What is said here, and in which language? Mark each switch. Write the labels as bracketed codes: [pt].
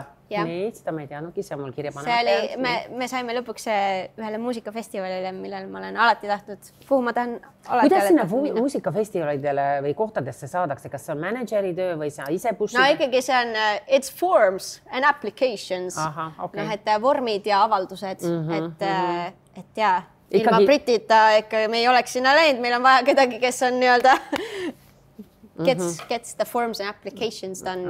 [et] Nii, seda ma ei teanudki, see on mul kirja panemata. Me saime lõpuks ühele muusikafestivalile, millel ma olen alati tahtnud, kuhu ma tahan alati. Kuidas sinna muusikafestivalidele või kohtadesse saadakse? Kas see on manageri töö või sa ise pushid? No ikkagi see on, [en] it's forms and applications. [et] Aha, okei. [en] Okay. [et] No, vormid ja avaldused, mm-hmm, et jah, ilma britita, ikka me ei oleks sinna läinud, meil on vaja kedagi, kes on nii-öelda... [en] Gets the forms and applications done.